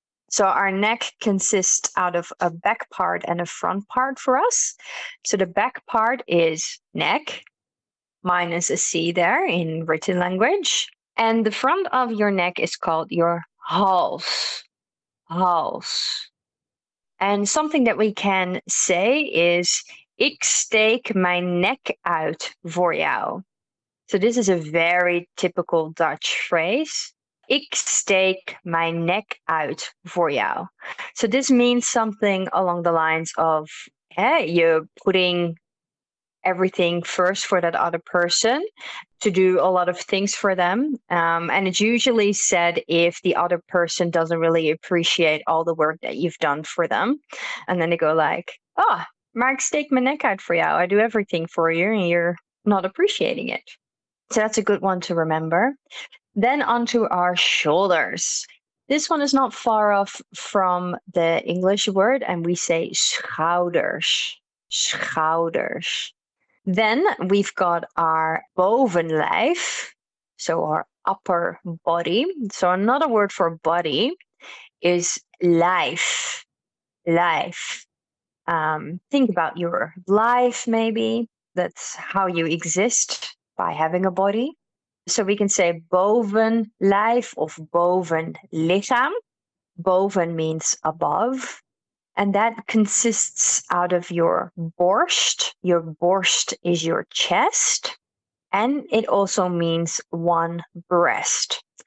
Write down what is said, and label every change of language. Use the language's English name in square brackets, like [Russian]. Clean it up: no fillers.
[English] So our neck consists out of a back part and a front part for us. So the back part is neck. Minus a C there in written language. And the front of your neck is called your hals. [Dutch] Hals. [English] And something that we can say is, [Dutch] ik steek mijn nek uit voor jou. [English] So this is a very typical Dutch phrase. [Dutch] Ik steek mijn nek uit voor jou. [English] So this means something along the lines of, hey, you're putting everything first for that other person, to do a lot of things for them. And it's usually said if the other person doesn't really appreciate all the work that you've done for them. And then they go like, oh, [Dutch] maar ik steek mijn nek uit voor jou. [English] I do everything for you and you're not appreciating it. So that's a good one to remember. Then onto our shoulders. This one is not far off from the English word, and we say schouders. Schouders. Then we've got our bovenlijf, so our upper body. So another word for body is lijf, lijf. Think about your life, maybe. That's how you exist, by having a body. So we can say [Dutch] bovenlijf of bovenlichaam. [English] Boven means above. And that consists out of your borst. Your borst is your chest. And it also means one breast.